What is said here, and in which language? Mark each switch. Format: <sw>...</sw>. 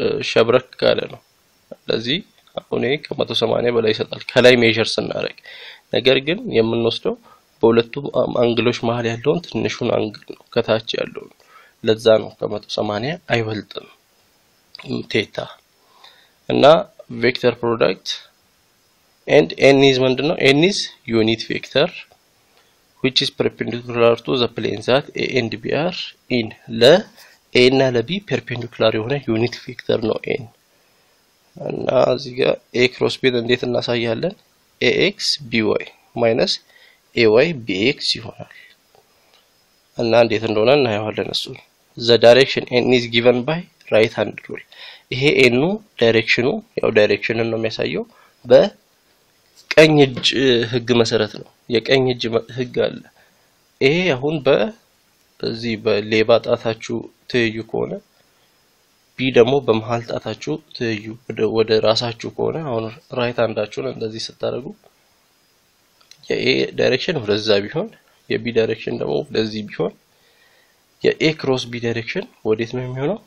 <am>ሸብረክ ካለ ነው። ስለዚህ አሁን ከ180 በላይ ይሰጣል ከላይ ሜጀርስ እናረግ። ነገር ግን የምንወስደው በሁለቱ አንግሎች መሃል ያለውን ትንሹን አንግል ነው ከታች ያለው። ለዛ ነው ከ180 አይበልጥም ቴታ። እና ቬክተር ፕሮዳክት</am> <en>and n is</en> <am>ምንድነው?</am> <en>n is unit vector which is perpendicular to the planes that a and b are in.</en> <am>ለ a እና ለ b perpendicular የሆነ unit vector ነው n። እና እዚህ ጋር a cross b እንዴት እናሳያለን?</am> <en>ax by minus ay bx</en> <am>ይሆናል። እና እንዴት እንደሆነ እናየዋለን እሱ።</am> <en>the direction n is given by right hand rule.</en> <am>ይሄ n ነው ዳይሬክሽኑ። ያው ዳይሬክሽኑን ነው የሚያሳየው በቀኝ እጅ ህግ መሰረት ነው። የቀኝ እጅ ህግ አለ። ይሄ አሁን በዚህ በሌባ ጣታችሁ ትይዩ ከሆነ b ደግሞ በመሃል ጣታችሁ ትይዩ ወደ ራሳችሁ ከሆነ አሁን right handአችሁን እንደዚህ ስታደርጉ የa ዳይሬክሽን ወደዛ ቢሆን የb ዳይሬክሽን ደግሞ ወደዚህ ቢሆን የa cross b ዳይሬክሽን ወዴት ነው የሚሆነው?</am>